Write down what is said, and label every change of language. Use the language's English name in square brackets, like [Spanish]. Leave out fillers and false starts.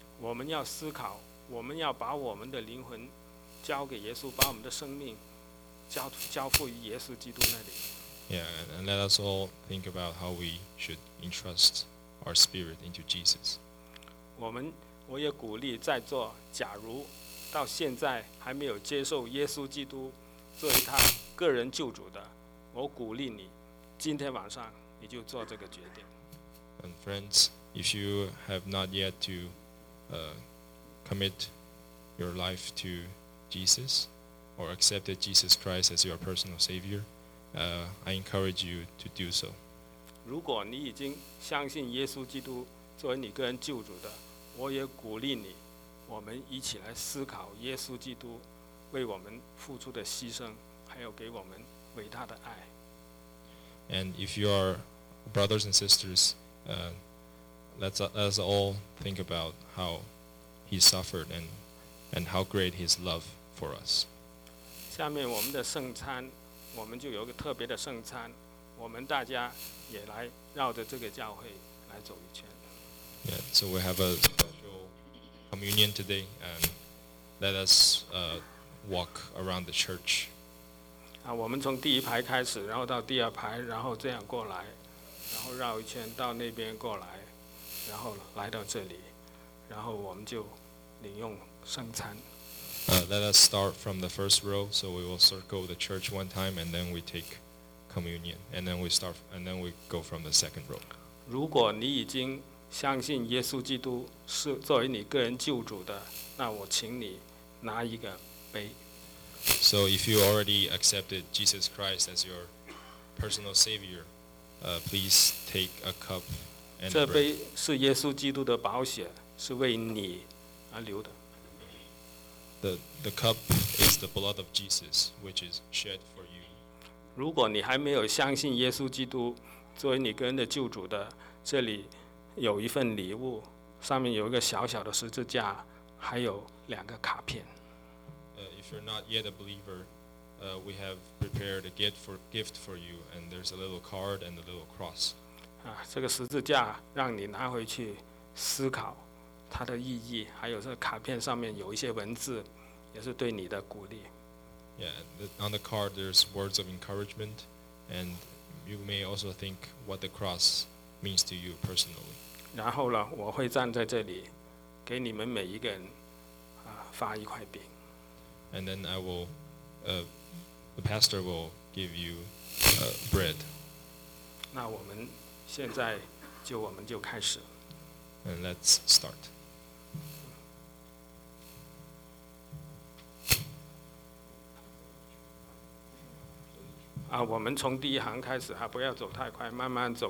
[Chinese] 我们要思考，我们要把我们的灵魂交给耶稣，把我们的生命交付于耶稣基督那里。 [English] Yeah, and let us all think about how we should entrust our spirit into Jesus. [Chinese] 我也鼓励在座，假如到现在还没有接受耶稣基督作为他个人救主的，我鼓励你，今天晚上你就做这个决定。 [English] And friends, if you have not yet to commit your life to Jesus or accepted Jesus Christ as your personal Savior, I encourage you to do so. [Chinese] 如果你已经相信耶稣基督作为你个人救主的，我也鼓励你。我们一起来思考耶稣基督为我们付出的牺牲，还有给我们伟大的爱。 [English] And if you are brothers and sisters, let's all think about how he suffered and how great his love for us. [Chinese] 下面我们的圣餐，我们就有个特别的圣餐，我们大家也来绕着这个教会来走一圈。 [English] Yeah, so we have a. Communion today, and let us walk around the church. [Chinese] 啊，我们从第一排开始，然后到第二排，然后这样过来，然后绕一圈到那边过来，然后来到这里，然后我们就领用圣餐。 [English] Let us start from the first row, so we will circle the church one time, and then we take communion, and then we start, and then we go from the second row. [Chinese] 如果你已经相信耶稣基督是作为你个人救主的，那我请你拿一个杯。 [English] So if you already accepted Jesus Christ as your personal Savior, please take a cup and bread. [Chinese] 这杯是耶稣基督的宝血，是为你而流的。 [English] The cup is the blood of Jesus, which is shed for you. [Chinese] 如果你还没有相信耶稣基督作为你个人的救主的，这里有一份礼物，上面有一个小小的十字架，还有两个卡片。 [English] If you're not yet a believer, we have prepared a gift for you, and there's a little card and a little cross. [Chinese] 啊，这个十字架让你拿回去思考它的意义，还有这卡片上面有一些文字，也是对你的鼓励。 [English] Yeah, on the card there's words of encouragement, and you may also think what the cross means to you personally. [Chinese] 然后呢，我会站在这里，给你们每一个人发一块饼。 [English] And then I will, the pastor will give you bread. [Chinese] 那我们现在就我们就开始。 [English] And let's start. [Chinese] 啊，我们从第一行开始哈，不要走太快，慢慢走。